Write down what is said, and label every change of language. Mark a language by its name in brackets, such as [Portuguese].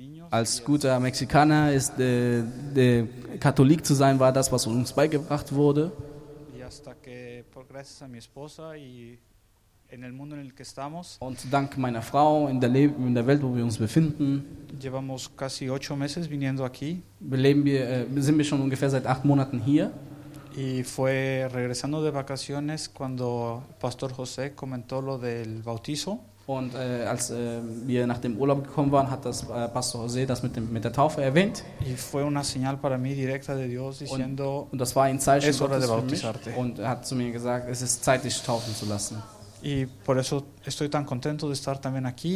[German] Als guter Mexikaner ist der Katholik zu sein, war das, was uns beigebracht wurde. [Spanish] Y hasta que, por gracias a mi esposa y En el mundo en el que estamos. [German] Und dank meiner Frau in der Welt, wo wir uns befinden. [Spanish] Llevamos casi 8 meses viniendo aquí. [German] Sind wir schon ungefähr seit 8 Monaten hier. [Spanish] Y fue regresando de vacaciones cuando Pastor José comentó lo del bautizo. [German] Und als wir nach dem Urlaub gekommen waren, hat das Pastor José das mit der Taufe erwähnt. [Spanish] Y fue una señal para mí directa de Dios diciendo. [German] Und das war ein Zeichen Gottes für mich. Und er hat zu mir gesagt, es ist Zeit, dich taufen zu lassen. [Spanish] Y por eso estoy tan contento de estar también aquí.